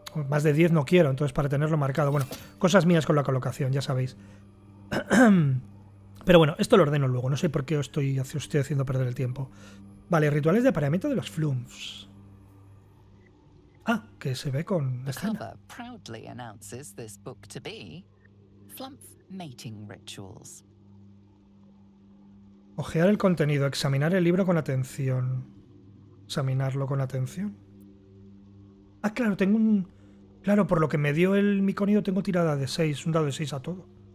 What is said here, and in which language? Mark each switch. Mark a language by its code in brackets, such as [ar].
[es] Más de 10 no quiero, entonces para tenerlo marcado. Bueno, cosas mías con la colocación, ya sabéis. Pero bueno, esto lo ordeno luego. No sé por qué os estoy haciendo perder el tiempo. Vale, rituales de apareamiento de los flumps. Ah, que se ve con la escena. [en] Cover proudly announces this book to be Flump Mating Rituals. [es] Ojear el contenido, examinar el libro con atención. Examinarlo con atención. Ah, claro, tengo un... Claro, por lo que me dio el miconido tengo tirada de 6, un dado de 6 a todo.